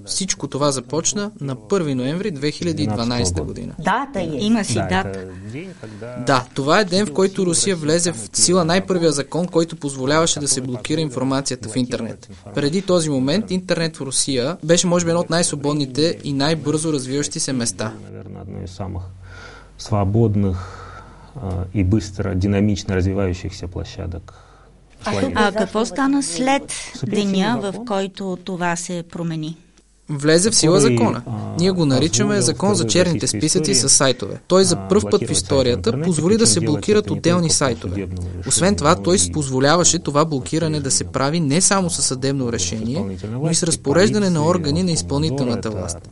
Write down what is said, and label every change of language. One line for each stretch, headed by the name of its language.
Bulgarian: Всичко това започна на 1 ноември 2012 година. Дата е. Има си дата. Да, това е ден, в който Русия влезе в сила най-първия закон, който позволяваше да се блокира информацията в интернет. Преди този момент интернет в Русия беше, може би, едно от най-свободните и най-бързо развиващи се места.
Russian: Едно от самых свободных и быстро, динамично развивающихся площадок.
Bulgarian: А какво стана след деня, в който това се промени? Влезе в сила закона. Ние го наричаме закон за черните списъци с сайтове. Той за пръв път в историята позволи да се блокират отделни сайтове. Освен това, той позволяваше това блокиране да се прави не само със съдебно решение, но и с разпореждане на органи на изпълнителната власт.